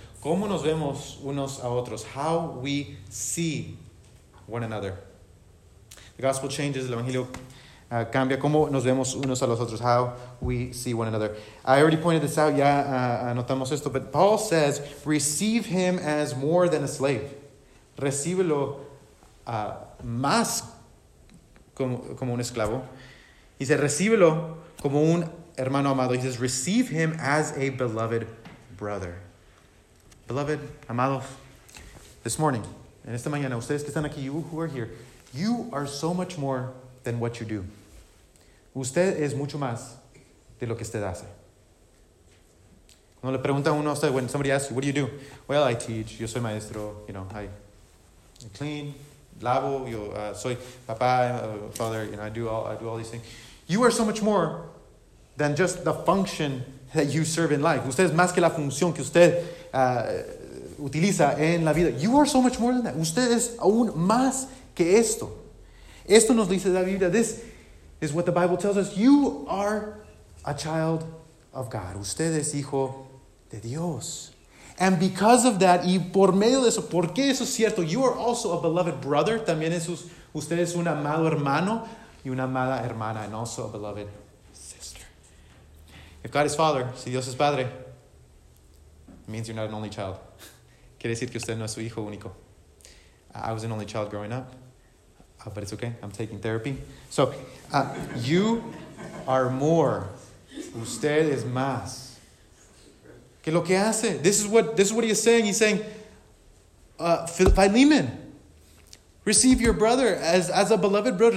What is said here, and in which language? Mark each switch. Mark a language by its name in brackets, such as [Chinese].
[Spanish] ¿Cómo nos vemos unos a otros? [English] How we see one another. The gospel changes. [Spanish] El Evangelio cambia. ¿Cómo nos vemos unos a los otros? [English] How we see one another. I already pointed this out. [Spanish] Ya anotamos esto. [English] But Paul says, receive him as more than a slave. [Spanish] Recíbelo más como un esclavo. Dice, recíbelo como un hermano amado. [English] He says, receive him as a beloved brother. Beloved, amados, this morning, [Spanish] en esta mañana, ustedes que están aquí, [English] you who are here, you are so much more than what you do. [Spanish] Usted es mucho más de lo que usted hace. Cuando le pregunta a uno, [English] when somebody asks you, what do? Well, I teach, [Spanish] yo soy maestro, [English] you know, I clean, [Spanish] lavo, yo soy papá, [English] father, you know, I do all these things. You are so much more than just the function that you serve in life. [Spanish] Usted es más que la función que usted utiliza en la vida. [English] You are so much more than that. [Spanish] Usted es aún más que esto. Esto nos dice la Biblia. [English] This is what the Bible tells us. You are a child of God. [Spanish] Usted es hijo de Dios. [English] And because of that, [Spanish] y por medio de eso, porque eso es cierto, [English] you are also a beloved brother. [Spanish] También es usted es un amado hermano y una amada hermana, [English] and also a beloved sister. If God is Father, [Spanish] si Dios es Padre, [English] it means you're not an only child. [Spanish] Quiere decir que usted no es su hijo único. [English] I was an only child growing up, but it's okay. I'm taking therapy. So, you are more. [Spanish] Usted es más. Que lo que hace. [English] This is what he is saying. He's saying, Philemon, receive your brother as a beloved brother.